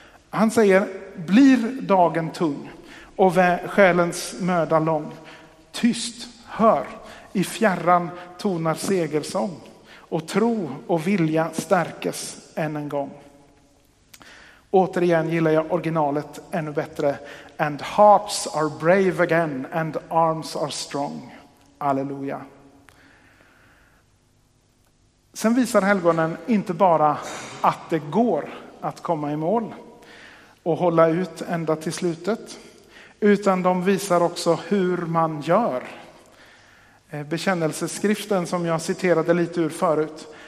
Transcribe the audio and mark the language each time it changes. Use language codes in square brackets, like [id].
[sv] Han säger, blir dagen tung och själens möda lång, tyst, hör. I fjärran tonar segersång och tro och vilja stärkes än en gång. Återigen gillar jag originalet ännu bättre. [en] And hearts are brave again and arms are strong. Halleluja. [sv] Sen visar helgonen inte bara att det går att komma i mål och hålla ut ända till slutet. Utan de visar också hur man gör. Bekännelseskriften som jag citerade lite ur förut.